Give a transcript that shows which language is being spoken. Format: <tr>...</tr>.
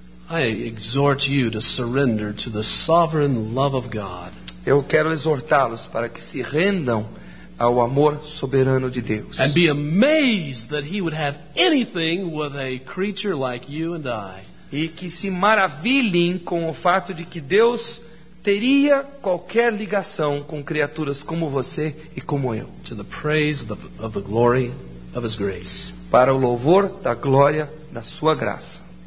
<en>I exhort you to surrender to the sovereign love of God.</en> <pt>Eu quero exortá-los para que se rendam ao amor soberano de Deus.</pt> <en>And be amazed that he would have anything with a creature like you and I.</en> <pt>E que se maravilhem com o fato de que Deus teria qualquer ligação com criaturas como você e como eu.</pt> <en>To the praise of the glory of his grace.</en> <pt>Para o louvor da glória da sua graça.</pt>